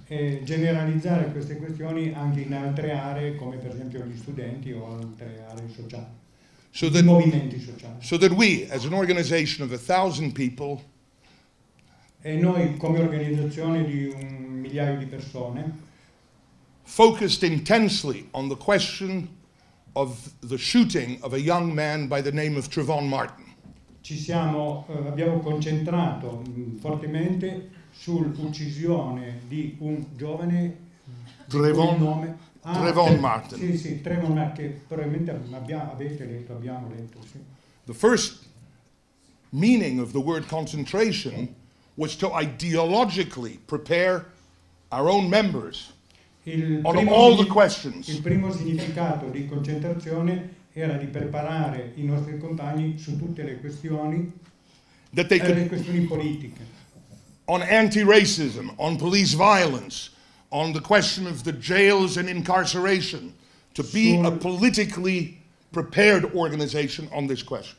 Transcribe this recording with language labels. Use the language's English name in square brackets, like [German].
[Italian] E generalizzare queste questioni anche in altre aree, come per esempio gli studenti o altre aree sociali. [English] So that, [Italian] movimenti sociali. [English] So that we, as an organization of 1,000 people, [Italian] e noi come organizzazione di un migliaio di persone, [English] focused intensely on the question of the shooting of a young man by the name of Trayvon Martin. [Italian] Ci siamo, abbiamo concentrato fortemente sull'uccisione di un giovane Trayvon, nome, Trayvon Martin. Sì, sì, Trayvon Martin, che probabilmente abbiamo letto, sì. [English] The first meaning of the word concentration was to ideologically prepare our own members on all the questions. [Italian] Il primo significato di concentrazione era di preparare i nostri compagni su tutte le questioni, le questioni politiche. [English] On anti-racism, on police violence, on the question of the jails and incarceration, to be a politically prepared organization on this question.